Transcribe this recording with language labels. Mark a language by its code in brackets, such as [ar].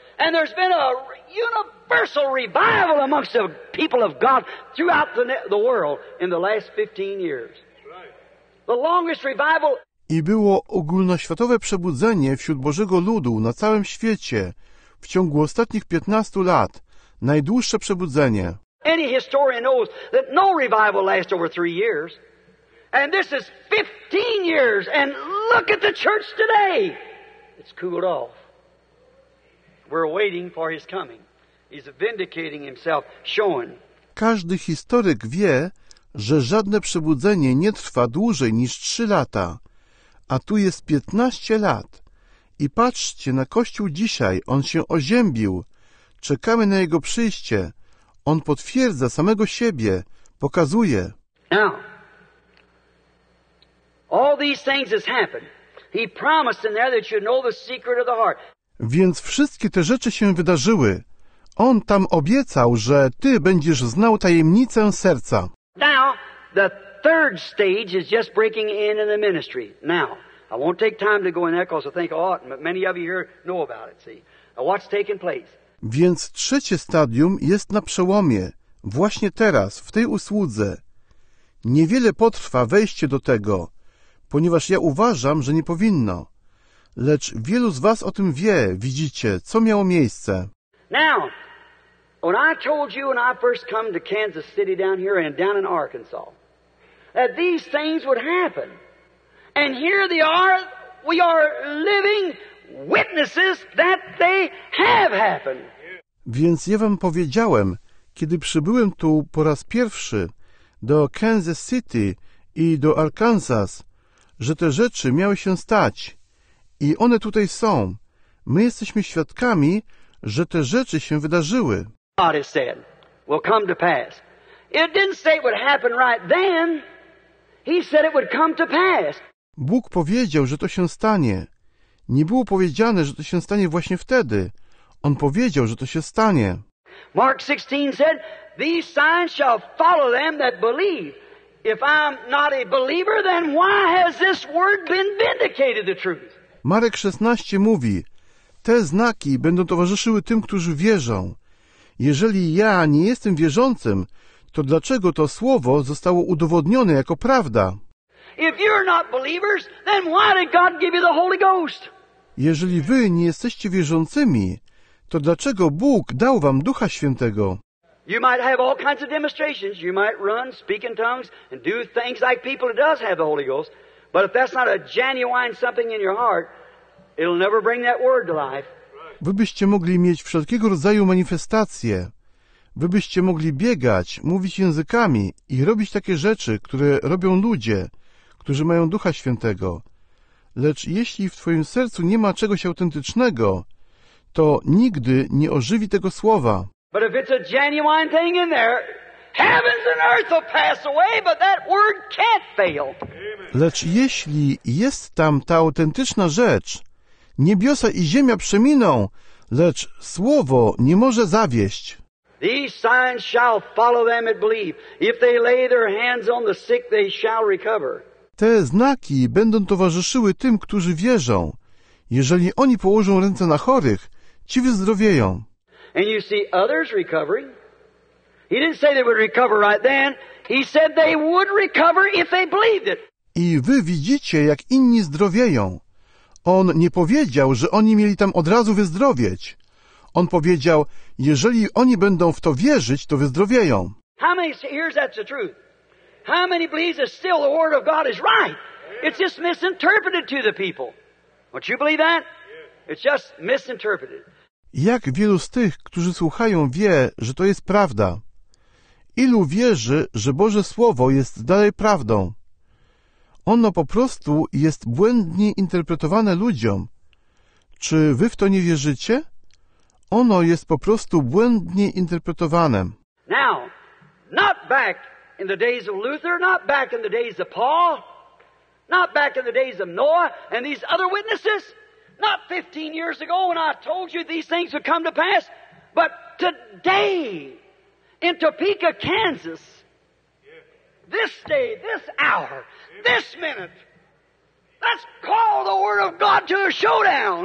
[en] And there's been a universal revival amongst the people of God throughout the world in the last 15 years. The longest revival. [pl] I było ogólnoświatowe przebudzenie wśród Bożego ludu na całym świecie w ciągu ostatnich 15 lat. Najdłuższe przebudzenie. [en] Any historian knows that no revival lasts over 3 years. And this is 15 years. And look at the church today. It's cooled off. We're waiting for his coming. He's vindicating himself, showing. [pl] Każdy historyk wie, że żadne przebudzenie nie trwa dłużej niż 3 lata. A tu jest 15 lat. I patrzcie na Kościół dzisiaj. On się oziębił. Czekamy na jego przyjście. On potwierdza samego siebie, pokazuje. [en] Now, all these things has happened. He promised in there that you know the secret of the heart. [pl] Więc wszystkie te rzeczy się wydarzyły. On tam obiecał, że ty będziesz znał tajemnicę serca. [en] Now, the third stage is just breaking in the ministry. Now, I won't take time to go in there because I think many of you here know about it, see. What's taking place? [pl] Więc trzecie stadium jest na przełomie, właśnie teraz, w tej usłudze. Niewiele potrwa wejście do tego, ponieważ ja uważam, że nie powinno. Lecz wielu z was o tym wie, widzicie, co miało miejsce. [en] Now, when I told you when I first come to Kansas City down here and down in Arkansas, that these things would happen. And here they are, we are living witnesses that they have happened. [pl] Więc ja wam powiedziałem, kiedy przybyłem tu po raz pierwszy do Kansas City i do Arkansas, że te rzeczy miały się stać i one tutaj są. My jesteśmy świadkami, że te rzeczy się wydarzyły. [en] God has said, will come to pass. It didn't say it would happen right then. He said it would come to pass. [pl] Bóg powiedział, że to się stanie. Nie było powiedziane, że to się stanie właśnie wtedy. On powiedział, że to się stanie. [en] Mark 16 said, these signs shall follow them that believe. If I'm not a believer, then why has this word been vindicated, the truth? [pl] Marek 16 mówi, te znaki będą towarzyszyły tym, którzy wierzą. Jeżeli ja nie jestem wierzącym, to dlaczego to słowo zostało udowodnione jako prawda? [en] If you're not believers, then why did God give you the Holy Ghost? [pl] Jeżeli wy nie jesteście wierzącymi, To dlaczego Bóg dał wam Ducha Świętego? [en] You might have all kinds of demonstrations. You might run, speak in tongues, and do things like people who does have the Holy Ghost. But if that's not a genuine something in your heart, it'll never bring that word to life. [pl] Wy byście mogli mieć wszelkiego rodzaju manifestacje. Wy byście mogli biegać, mówić językami i robić takie rzeczy, które robią ludzie, którzy mają Ducha Świętego. Lecz jeśli w twoim sercu nie ma czegoś autentycznego, to nigdy nie ożywi tego słowa. [en] But if it's a genuine thing in there, heavens and earth will pass away, but that word can't fail. [pl] Lecz jeśli jest tam ta autentyczna rzecz, niebiosa i ziemia przeminą, lecz słowo nie może zawieść. [en] These signs shall follow them that believe. If they lay their hands on the sick, they shall recover. [pl] Te znaki będą towarzyszyły tym, którzy wierzą. Jeżeli oni położą ręce na chorych, ci wyzdrowieją. [en] And you see others recovering. He didn't say they would recover right then. He said they would recover if they believed it. [pl] I wy widzicie, jak inni zdrowieją. On nie powiedział, że oni mieli tam od razu wyzdrowieć. On powiedział, jeżeli oni będą w to wierzyć, to wyzdrowieją. [en] How many hears that's the truth? How many believes that still the word of God is right? It's just misinterpreted to the people. Don't you believe that? It's just misinterpreted. [pl] Jak wielu z tych, którzy słuchają, wie, że to jest prawda? Ilu wierzy, że Boże Słowo jest dalej prawdą? Ono po prostu jest błędnie interpretowane ludziom. Czy wy w to nie wierzycie? Ono jest po prostu błędnie interpretowane. [en] Now, not back in the days of Luther, not back in the days of Paul, not back in the days of Noah and these other witnesses. Not 15 years ago when I told you these things would come to pass, but today in Topeka, Kansas, this day, this hour, this minute, let's call the Word of God to a showdown.